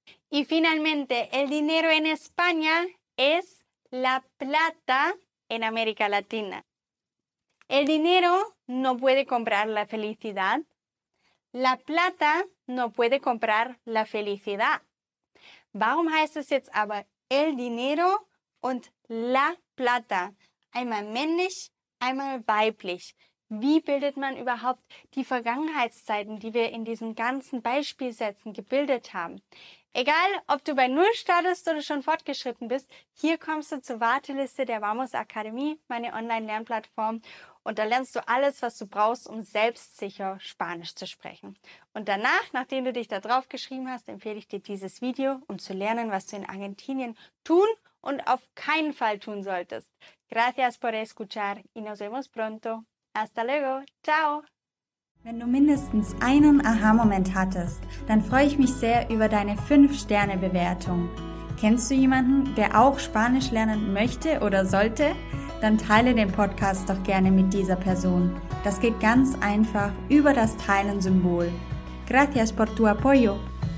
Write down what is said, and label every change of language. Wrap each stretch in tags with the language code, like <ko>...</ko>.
<es>Y finalmente, el dinero en España es la plata en América Latina. El dinero no puede comprar la felicidad. La plata no puede comprar la felicidad.</es> <de>Warum heißt es jetzt aber el dinero und la plata? Einmal männlich, einmal weiblich. Wie bildet man überhaupt die Vergangenheitszeiten, die wir in diesen ganzen Beispielsätzen gebildet haben? Egal, ob du bei Null startest oder schon fortgeschritten bist, hier kommst du zur Warteliste der Vamos Akademie, meine Online-Lernplattform. Und da lernst du alles, was du brauchst, um selbstsicher Spanisch zu sprechen. Und danach, nachdem du dich da drauf geschrieben hast, empfehle ich dir dieses Video, um zu lernen, was du in Argentinien tun und auf keinen Fall tun solltest.</de> <es>Gracias por escuchar y nos vemos pronto. Hasta luego. Ciao.</es> <de>Wenn du mindestens einen Aha-Moment hattest, dann freue ich mich sehr über deine 5-Sterne-Bewertung. Kennst du jemanden, der auch Spanisch lernen möchte oder sollte? Dann teile den Podcast doch gerne mit dieser Person. Das geht ganz einfach über das Teilen-Symbol.</de> <es>Gracias por tu apoyo.</es>